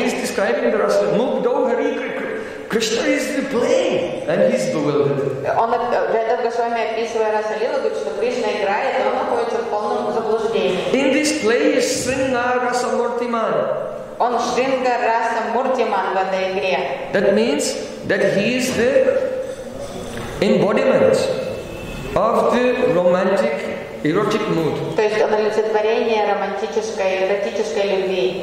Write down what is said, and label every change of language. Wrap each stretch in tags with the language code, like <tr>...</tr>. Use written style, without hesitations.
<en>He's describing the Rasa.</en> <sa>Mugdo Hari Kridati.</sa> <en>Krishna is the playing and he's bewildered.</en> <ru>On Jayadev Goswami описывая Раса Лилу, говорит, что Кришна играет, но он находится в полном заблуждении.</ru> <en>In this play is</en> <sa>Sringara Samurti Man.</sa> <ru>Он Шринга Раса Муртиман в этой игре.</ru> <en>That means that he is the embodiment of the romantic erotic mood.</en> <ru>То есть он олицетворение романтической, эротической любви.</ru>